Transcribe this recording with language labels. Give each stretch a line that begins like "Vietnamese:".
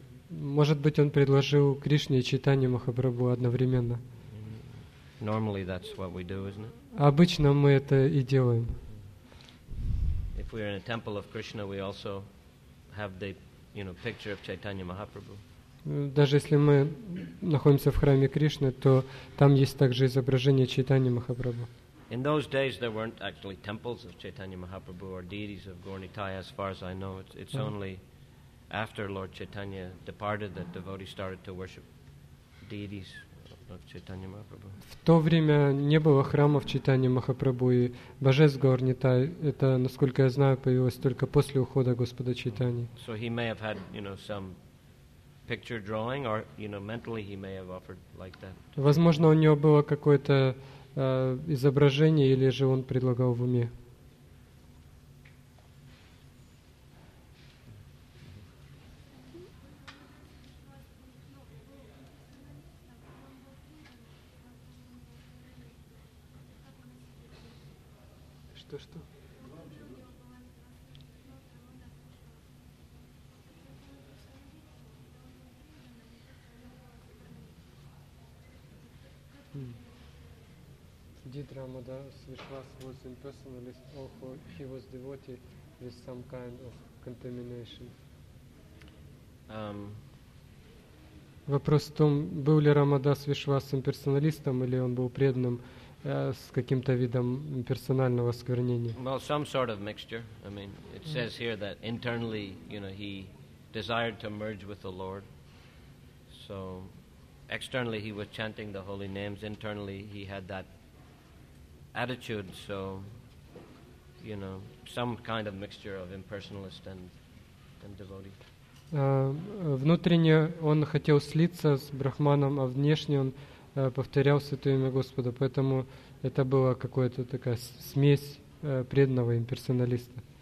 Russian: Может быть, он предложил Кришне и Чайтанье Махапрабху одновременно.
English: Normally that's what we do, isn't it?
Russian: Обычно мы это и делаем.
English: If we're in a temple of Krishna, we also have the, you know, picture of Chaitanya Mahaprabhu.
Russian: Даже если мы находимся в храме Кришны, то там есть также изображение Чайтанья Махапрабху.
English: In those days, there weren't actually temples of Chaitanya Mahaprabhu or deities of Gaur Nitaya, as far as I know. It's only after Lord Chaitanya departed that devotees started to worship deities of Chaitanya Mahaprabhu.
Russian: В то время не было храмов Чайтанья Махапрабху и божеств Гаур Нитай. Это, насколько я знаю, появилось только после ухода Господа Чайтаньи.
English: So he may have had, you know, some picture drawing, or, you know, mentally he may have offered like that.
Russian: Возможно, у него было какое-то изображение, или же он предлагал в уме. Что?
English: Didramadas Vishwas was impersonalist, or he was devotee with some kind of contamination.
Russian: Вопрос в том, был ли Рамадас Вишвас имперсоналистом или он был преданным с каким-то видом персонального осквернения.
English: Well, some sort of mixture. I mean, it says here that internally, you know, he desired to merge with the Lord. So externally he was chanting the holy names, internally he had that attitude, so you know, some kind of mixture of impersonalist and devotee.
Russian: Внутренне он хотел слиться с Брахманом, а внешне он повторял Святое имя Господа. Поэтому это была какая-то такая смесь преданного имперсоналиста.